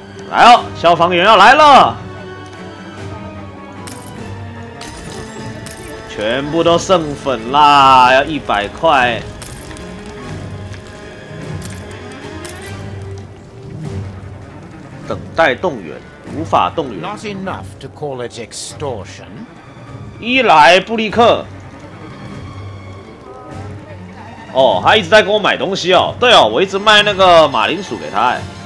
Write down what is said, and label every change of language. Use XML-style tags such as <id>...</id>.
<zh>来哦，消防员要来了，全部都剩粉啦，要100块。等待动员，无法动员。</zh> <en>Not enough to call it extortion.</en> <zh>伊莱布利克。哦，他一直在跟我买东西哦。对哦，我一直卖那个马铃薯给他哎。</zh>